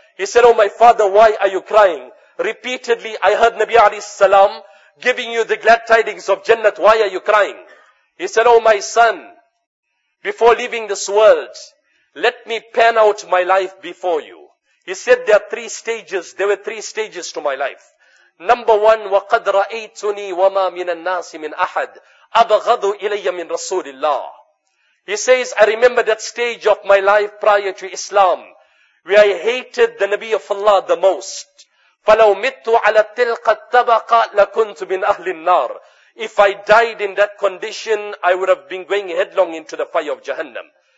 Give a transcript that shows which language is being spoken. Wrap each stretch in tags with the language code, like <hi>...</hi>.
<en>He said, oh my father, why are you crying? Repeatedly, I heard Nabi alayhi salam giving you the glad tidings of Jannah. Why are you crying? He said, oh my son, before leaving this world, let me pan out my life before you. He said there were three stages to my life. Number one,</en> <ar>وَقَدْ رَأَيْتُنِي وَمَا مِنَ النَّاسِ مِنْ أَحَدٍ أَبَغَضُ إِلَيَّ مِنْ رَسُولِ اللَّهِ.</ar> <en>He says, I remember that stage of my life prior to Islam, where I hated the Nabi of Allah the most.</en> <ar>فَلَوْ مِتُّ عَلَى تِلْقَ التَّبَقَ لَكُنْتُ مِنْ أَهْلِ النَّارِ.</ar> <en>If I died in that condition, I would have been going headlong into the fire of Jahannam.</en>